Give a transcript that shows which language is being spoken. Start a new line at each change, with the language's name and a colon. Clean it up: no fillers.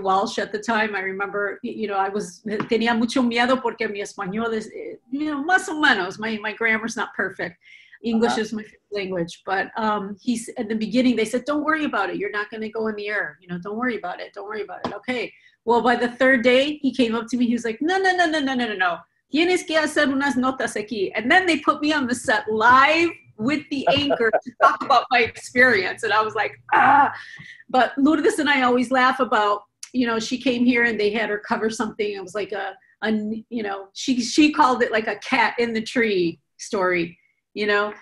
English: Walsh at the time, I remember, you know, I was,
Spanish: tenía mucho miedo porque mi español es,
English: you know,
Spanish: más o menos,
English: my grammar's not perfect. English is my language. But he's at the beginning, they said, don't worry about it. You're not going to go in the air. You know, don't worry about it. Don't worry about it. Okay. Well, by the third day, he came up to me. He was like, no.
Spanish: Tienes que hacer unas notas aquí.
English: And then they put me on the set live with the anchor to talk about my experience. And I was like, ah. But Lourdes and I always laugh about, you know, she came here and they had her cover something. It was like a you know, she called it like a cat in the tree story, you know.